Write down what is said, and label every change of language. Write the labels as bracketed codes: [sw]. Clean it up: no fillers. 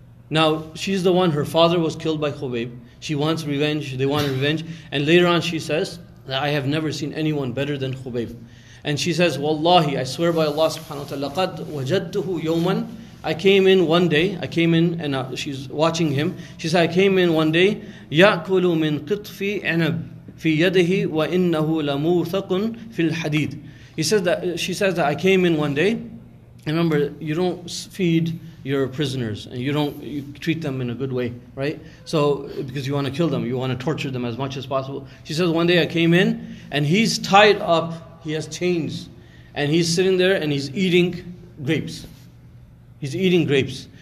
[en] Now, she's the one, her father was killed by Khubayb. She wants revenge, they want revenge. And later on she says, that I have never seen anyone better than Khubayb. And she says, Wallahi, I swear by Allah subhanahu wa ta'ala, [ar] قَدْ وَجَدْتُهُ يَوْمًا. [en] I came in one day, and she's watching him. She said, I came in one day, [ar] يَأْكُلُ مِنْ قِطْفِ عَنَبْ فِي يَدَهِ وَإِنَّهُ لَمُوثَقٌ فِي الْحَدِيدِ. [en] She says that I came in one day. Remember, you don't feed your prisoners and you treat them in a good way, right? So because you want to kill them, you want to torture them as much as possible. She says, one day I came in and he's tied up, he has chains, and he's sitting there and he's eating grapes. He's eating grapes.